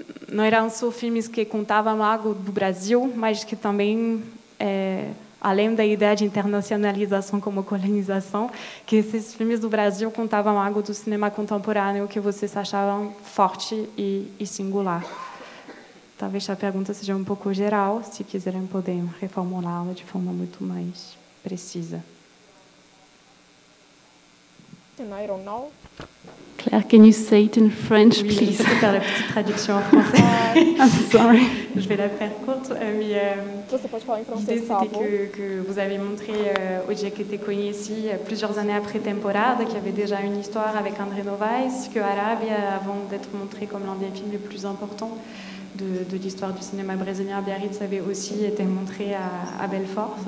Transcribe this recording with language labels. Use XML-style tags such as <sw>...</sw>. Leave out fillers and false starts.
<pt>não eram só filmes que contavam algo do Brasil, mas que também, além da ideia de internacionalização como colonização, que esses filmes do Brasil contavam algo do cinema contemporâneo que vocês achavam forte e singular. Talvez a pergunta seja um pouco geral, se quiserem poder reformulá-la de forma muito mais precisa.</pt> <en>And I don't know. Claire, can you say it in French, please?</en> <fr>Je vais faire la petite traduction en français.</fr> <en>I'm sorry.</en> <fr>Je vais la faire courte. Mais l'idée, c'était que vous avez montré au Dia Que Te Conheci plusieurs années après Temporada, qui avait déjà une histoire avec André Novaes, que Arábia, avant d'être montré comme l'un des films les plus importants de l'histoire du cinéma brésilien, Biarritz avait aussi été montré à Belfort.</fr>